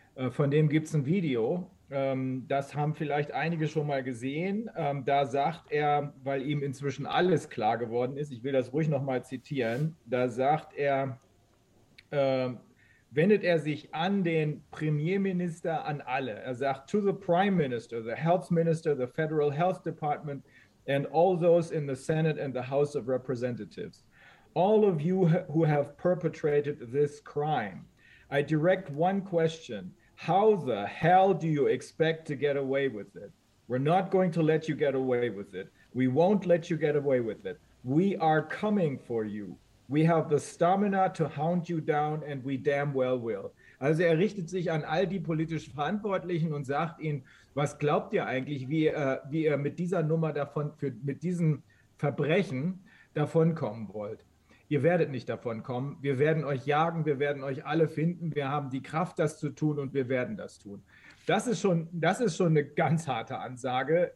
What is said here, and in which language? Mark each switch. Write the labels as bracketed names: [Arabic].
[German] Von dem gibt es ein Video. Das haben vielleicht einige schon mal gesehen. Da sagt er, weil ihm inzwischen alles klar geworden ist, ich will das ruhig noch mal zitieren, da sagt er, wendet er sich an den Premierminister, an alle. Er sagt, [English] to the Prime Minister, the Health Minister, the Federal Health Department and all those in the Senate and the House of Representatives. All of you who have perpetrated this crime, I direct one question. How the hell do you expect to get away with it? We're not going to let you get away with it. We won't let you get away with it. We are coming for you. We have the stamina to hound you down and we damn well will. [German] Also er richtet sich an all die politisch Verantwortlichen und sagt ihnen, was glaubt ihr eigentlich, wie ihr mit dieser Nummer davon, mit diesem Verbrechen davon kommen wollt? Ihr werdet nicht davon kommen. Wir werden euch jagen, wir werden euch alle finden. Wir haben die Kraft, das zu tun und wir werden das tun. Das ist schon eine ganz harte Ansage.